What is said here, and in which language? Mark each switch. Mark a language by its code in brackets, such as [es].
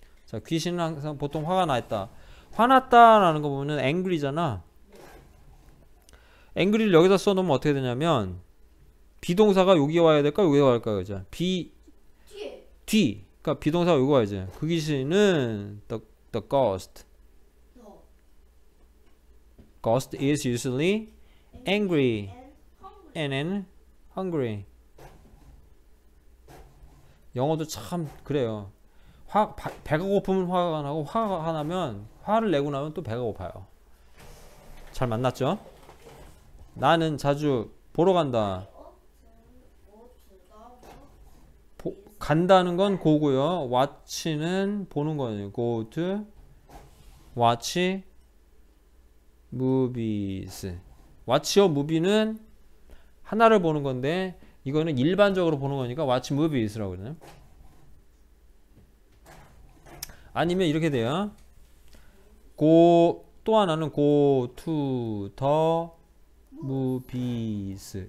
[ko] 자, 귀신은 항상 보통 화가 나 있다. 화났다라는 거 보면은 angry잖아. angry를 여기다 써 놓으면 어떻게 되냐면 비동사가 여기 와야 될까? 여기 와야 될까요? 이제 비 뒤. 그러니까 비동사가 여기 와야지. 그 귀신은 the ghost. [en] ghost is usually angry and hungry. [ko] 영어도 참 그래요. 배가 고프면 화가 나고 화가 나면 화를 내고 나면 또 배가 고파요. 잘 만났죠? 나는 자주 보러 간다. 간다는 건 고고요. watch는 보는 거예요. [en] go to watch movies. [ko] watch your movie는 하나를 보는 건데 이거는 일반적으로 보는 거니까 watch movies라고 그러네. 아니면 이렇게 돼요. [en] go [ko] 또 하나는 [en] go to the movies.